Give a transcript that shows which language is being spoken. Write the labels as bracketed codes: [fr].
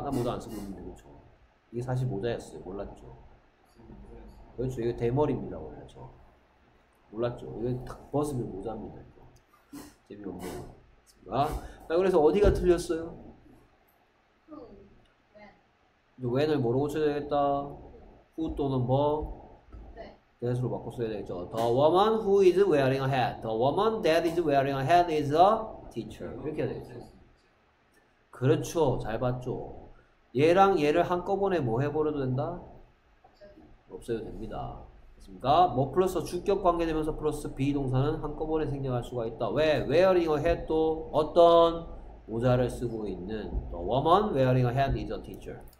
[ko] 나 모자 안 쓰고 있는데, 그렇죠. 이게 사실 모자였어요. 몰랐죠. 그렇죠. 이거 대머리입니다, 원래. 그렇죠? 몰랐죠. 이거 탁 벗으면 모자입니다. 재미없네요. 됐습니까? 자, 그래서 어디가 틀렸어요? when을 뭐로 고쳐야겠다? who 또는 뭐? 대수로 바꿨어야 되겠죠. [en] The woman who is wearing a hat. The woman that is wearing a hat is a teacher. [ko] 이렇게 해야 되겠죠. 그렇죠. 잘 봤죠. 얘랑 얘를 한꺼번에 뭐 해버려도 된다? 없어도 됩니다. 그렇습니까? 뭐 플러스 주격 관계되면서 플러스 비 동사는 한꺼번에 생략할 수가 있다. 왜? [en] wearing a hat도 [ko] 어떤 모자를 쓰고 있는 [en] The woman wearing a hat is a teacher.